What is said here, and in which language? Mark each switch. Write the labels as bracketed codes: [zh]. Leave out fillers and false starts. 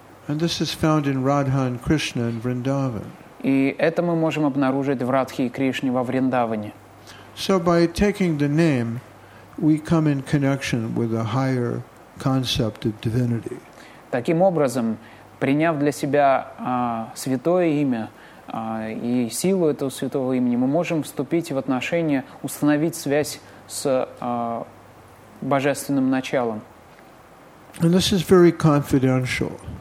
[en] And this is found in Radha and Krishna in Vrindavan. [ru] И это мы можем обнаружить в Радхе и Кришне во Вриндаване. [en] So by taking the name, we come in connection with a higher concept of divinity. [ru] Таким образом, приняв для себя святое имя, и силу этого святого имени, мы можем вступить в отношения, установить связь с божественным началом. [en] And this is very confidential.